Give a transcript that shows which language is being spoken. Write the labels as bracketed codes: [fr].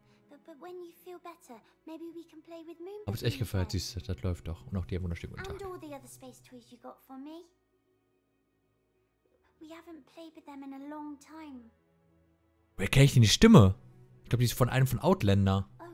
[en] But when you feel better, maybe we can play with Moon. [de] Hab's echt gefeiert, siehst du, das läuft doch. Und auch dir wunderschönen guten Tag. [en] And all the other space toys you got for me. We haven't played with them in a long time. [de] Woher kenne ich denn die Stimme? Ich glaube, die ist von einem von Outlander.